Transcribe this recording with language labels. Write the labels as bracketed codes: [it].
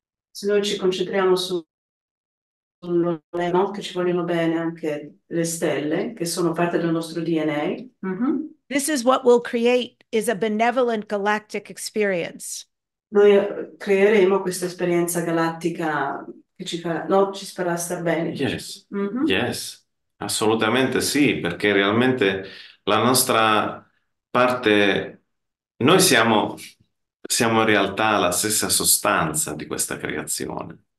[it] Se noi ci concentriamo su no, che ci vogliono bene anche le stelle, che sono parte del nostro DNA. [en] This is what we'll create, is a benevolent galactic experience. [it] Noi creeremo questa esperienza galattica che ci farà, no, ci farà star bene. [en] Yes, [it] assolutamente sì, perché realmente la nostra parte, noi siamo in realtà la stessa sostanza di questa creazione.